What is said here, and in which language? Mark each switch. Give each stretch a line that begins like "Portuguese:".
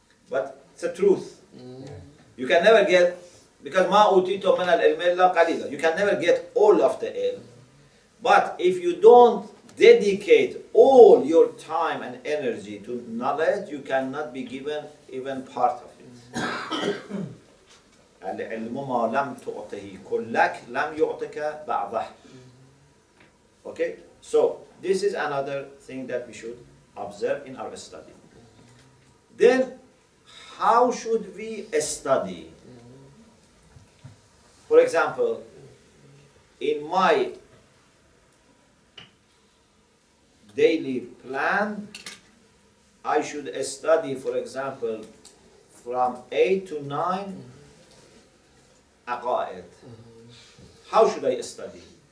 English: But it's a truth. You can never get, because
Arabic: ma utito min al-ilm illa qalila,
English: you can never get all of the ilm. But if you don't dedicate all your time and energy to knowledge, you cannot be given even part of it.
Arabic: العلم ما لم تعطه كلك لم يعطك بعضه.
English: Okay, so this is another thing that we should observe in our study. Then, how should we study? For example, in my daily plan, I should study, for example, from 8 to 9, aqaid. How should I study?